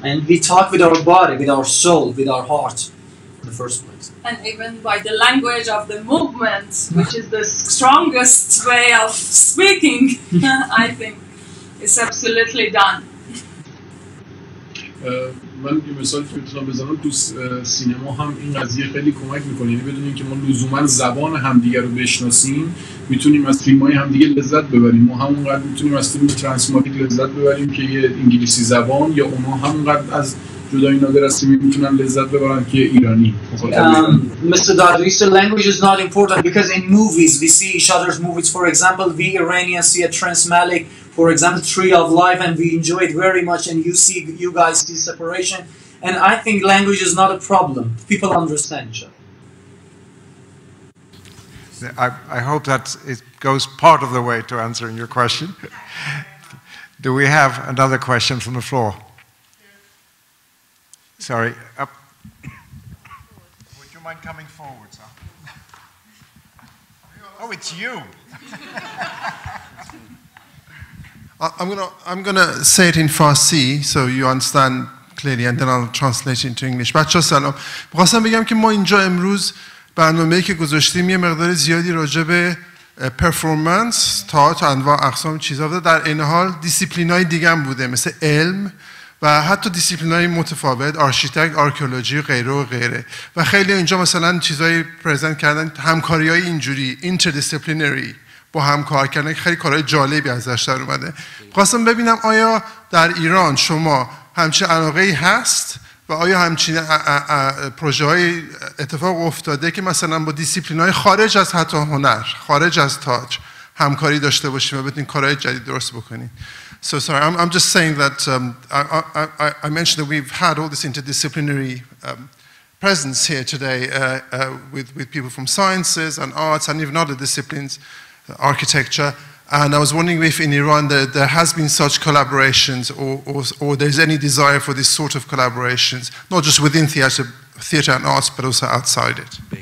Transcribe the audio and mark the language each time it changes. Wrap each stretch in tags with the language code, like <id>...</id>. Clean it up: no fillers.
<en>And we talk with our body, with our soul, with our heart in the first place. And even by the language of the movement, which is the strongest way of speaking, I think it's absolutely done.</en> <fa>من یه مثال که میتونم بزنم تو سینما هم این قضیه خیلی کمک میکنه یعنی بدون اینکه ما لزوما زبان همدیگه رو بشناسیم میتونیم از فیلم‌های همدیگه لذت ببریم ما همونقدر میتونیم از فیلم ترانسماتیک لذت ببریم که یه انگلیسی زبان یا اونها همونقدر از جدایی نادر از فیلم میتونن لذت ببرن که ایرانی مثلا دادریس</fa> <en>language is not important because in movies we see each other's movies for example we Iranians see a transmalic for example, Tree of Life, and we enjoy it very much, and you see, you guys see separation. And I think language is not a problem. People understand each other. I hope that it goes part of the way to answering your question. Do we have another question from the floor? Sorry. Would you mind coming forward, sir? Oh, it's you. I'm gonna say it in Farsi so you understand clearly and then I'll translate it into English.</en> <fa>بچه سلام. می‌خواستم بگم که ما اینجا امروز برنامه‌ای که گذاشتیم یه مقدار زیادی راجع به پرفورمنس، تئاتر، انواع اقسام چیزا بوده. در این حال دیسیپلین‌های دیگه هم بوده مثل علم و حتی دیسیپلین‌های متفاوت، آرشیتکت، آرکئولوژی و غیره و غیره. و خیلی اینجا مثلا چیزای پرزنت کردن همکاری‌های اینجوری، اینتردیسیپلینری با هم کار کردن خیلی کارهای جالبی ازش در اومده. خواستم ببینم آیا در ایران شما همچین علاقه‌ای هست و آیا همچین پروژه‌های اتفاق افتاده که مثلا با دیسیپلین‌های خارج از حتی هنر، خارج از تاج همکاری داشته باشیم و بتونیم کارهای جدید درست بکنیم.</fa> <en>So sorry, I'm just saying that I mentioned that we've had all this interdisciplinary presence here today with people from sciences and arts and even other disciplines. Architecture, and I was wondering if in Iran there has been such collaborations, or there's any desire for this sort of collaborations, not just within theater and arts, but also outside it.</en>